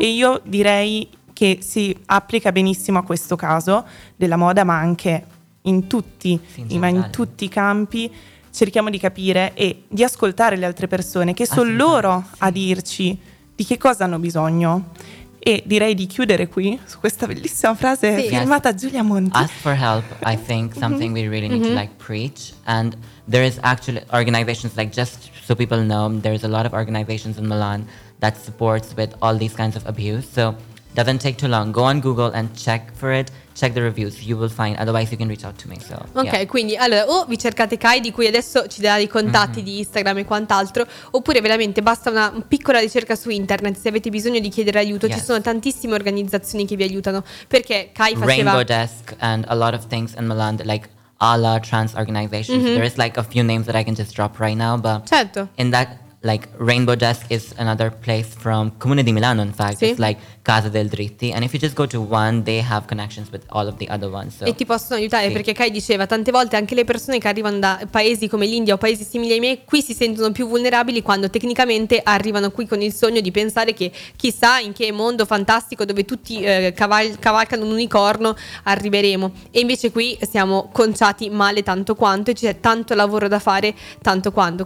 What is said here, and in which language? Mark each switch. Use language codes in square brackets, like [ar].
[it] E io direi che si applica benissimo a questo caso della moda, ma anche in tutti, sì, in tutti i campi. Cerchiamo di capire e di ascoltare le altre persone, che sono loro a dirci di che cosa hanno bisogno. E direi di chiudere qui su questa bellissima frase sì. firmata Giulia Monti. [en] Ask for help, I think something mm-hmm. we really need mm-hmm. to like preach. And there is actually organizations, like, just so people know, there is a lot of organizations in Milan that supports with all these kinds of abuse. So doesn't take too long. Go on Google and check for it. Check the reviews, you will find, otherwise you can reach out to me. So, ok, yeah. [it] Quindi allora o vi cercate Kai, di cui adesso ci darà i contatti mm-hmm. di Instagram e quant'altro, oppure veramente basta una piccola ricerca su internet se avete bisogno di chiedere aiuto. [en] Yes. [it] Ci sono tantissime organizzazioni che vi aiutano, perché Kai faceva [en] Rainbow Desk and a lot of things in Milan, like alla trans organizations. Mm-hmm. There is like a few names that I can just drop right now, but [it] certo. [en] In that, like, Rainbow Desk is another place from Comune di Milano, in fact. [it] Sì. [en] It's like Casa del Dritti. And if you just go to one, they have connections with all of the other ones. So, [it] e ti possono aiutare, sì. perché Kai diceva, tante volte anche le persone che arrivano da paesi come l'India o paesi simili ai miei, qui si sentono più vulnerabili, quando tecnicamente arrivano qui con il sogno di pensare che chissà in che mondo fantastico, dove tutti cavalcano un unicorno, arriveremo. E invece qui siamo conciati male tanto quanto, e c'è tanto lavoro da fare tanto quanto.